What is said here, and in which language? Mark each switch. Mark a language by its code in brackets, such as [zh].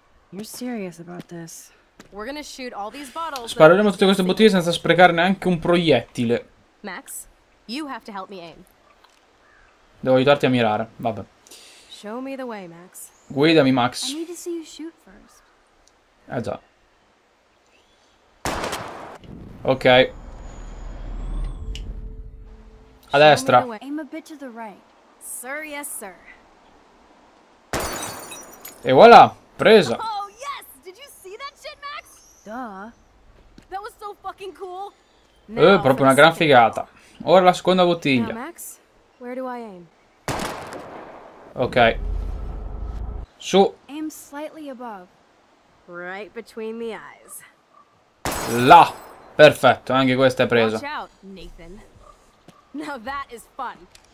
[en] You're serious about this? We're gonna shoot all these bottles. [it] Spareremo tutte queste bottiglie senza sprecare neanche un proiettile. [en] Max, you have to help me aim. [it] Devo aiutarti a mirare. Vabbè. [en] Show me the way, Max. [it] Guidami, Max. [en] I need to see you shoot first. [it] Ah già. Ok. A destra. [en] Aim a bit to the right. Sir, yes, sir. [it] E voilà, presa. [en] Oh, yes! Did you see that shit, Max? Duh. That was so fucking cool. [it] Proprio una gran figata. Ora la seconda bottiglia. [en] Now, Max, where do I aim? [it] Ok. Su. [en] Aim slightly above. Right between the eyes. [it] Là. Perfetto, anche questa è presa. [en] Watch out, Nathan. Now that is fun.